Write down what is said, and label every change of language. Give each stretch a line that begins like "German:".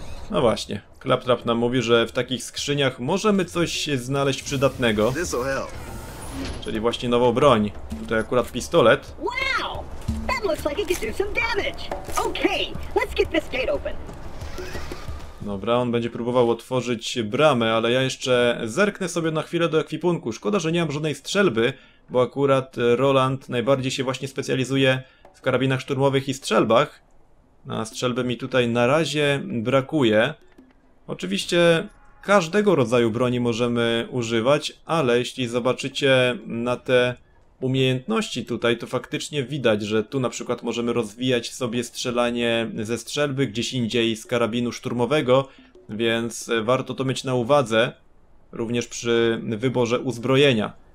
Polish: No właśnie, Claptrap nam mówi, że w takich skrzyniach możemy coś znaleźć przydatnego. Czyli właśnie nową broń. Tutaj akurat pistolet. Wow!
English: That looks like it could do some damage. Okay, let's get this gate open.
Polish: Dobra, on będzie próbował otworzyć bramę, ale ja jeszcze zerknę sobie na chwilę do ekwipunku. Szkoda, że nie mam żadnej strzelby, bo akurat Roland najbardziej się właśnie specjalizuje w karabinach szturmowych i strzelbach. A strzelby mi tutaj na razie brakuje. Oczywiście każdego rodzaju broni możemy używać, ale jeśli zobaczycie na te umiejętności tutaj, to faktycznie widać, że tu na przykład możemy rozwijać sobie strzelanie ze strzelby, gdzieś indziej z karabinu szturmowego, więc warto to mieć na uwadze, również przy wyborze uzbrojenia.